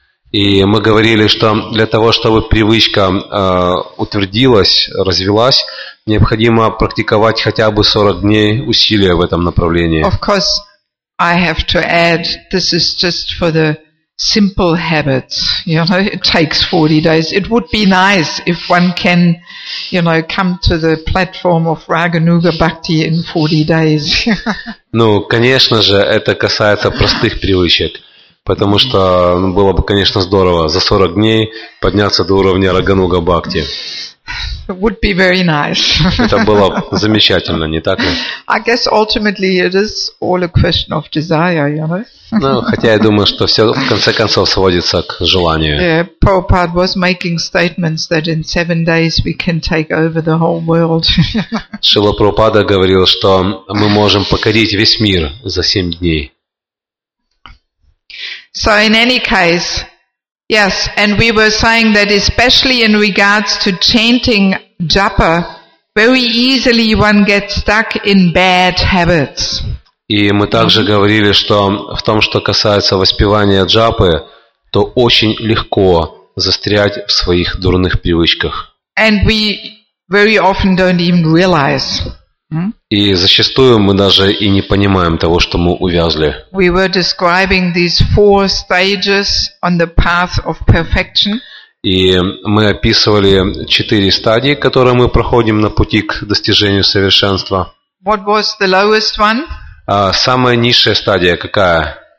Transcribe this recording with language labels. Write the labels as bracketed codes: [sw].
[ru] И мы говорили, что для того, чтобы привычка утвердилась, развилась, необходимо практиковать хотя бы 40 дней усилия в этом направлении. [en] Of course, I have to add, this is just for the simple habits. You know, it takes 40 days. It would be nice if one can, you know, come to the platform of Raghunuga Bhakti in 40 days. [ru] Ну, конечно же, это касается простых привычек. Потому что было бы, конечно, здорово за 40 дней подняться до уровня Рагануга Бхакти. [en] Would be very nice. [ru] Это было замечательно, не так ли? [en] I guess ultimately it is all a question of desire, you know? [ru] Ну, хотя я думаю, что все в конце концов сводится к желанию. [en] Yeah, Prabhupada was making statements that in 7 days we can take over the whole world. [ru] Шрила Прабхупада говорил, что мы можем покорить весь мир за 7 дней. [en] So in any case, yes, and we were saying that especially in regards to chanting japa, very easily one gets stuck in bad habits. [ru] И мы также говорили, что в том, что касается воспевания джапы, то очень легко застрять в своих дурных привычках. [en] And we very often don't even realize. [ru] И зачастую мы даже и не понимаем того, что мы увязли. [en] We were describing these four stages on the path of perfection. [ru] И мы описывали четыре стадии, которые мы проходим на пути к достижению совершенства. [en] What was the lowest one? [ru] Самая низшая стадия какая?